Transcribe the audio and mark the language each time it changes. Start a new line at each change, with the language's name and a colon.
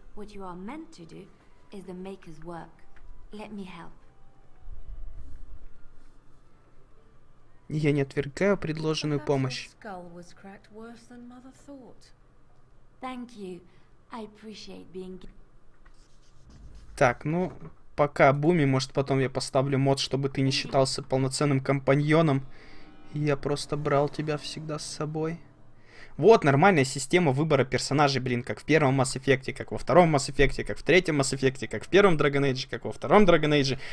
English: What you are meant to do is the Maker's work. Let me help.
Russian: Я не отвергаю предложенную помощь.
English: Your skull was cracked worse than Mother thought. Thank you. I appreciate being...
Russian: Так, ну, пока, Буми, может, потом я поставлю мод, чтобы ты не считался полноценным компаньоном. Я просто брал тебя всегда с собой. Вот, нормальная система выбора персонажей, блин, как в первом Mass Effect, как во втором Mass Effect, как в третьем Mass Effect, как в первом Dragon Age, как во втором Dragon Age.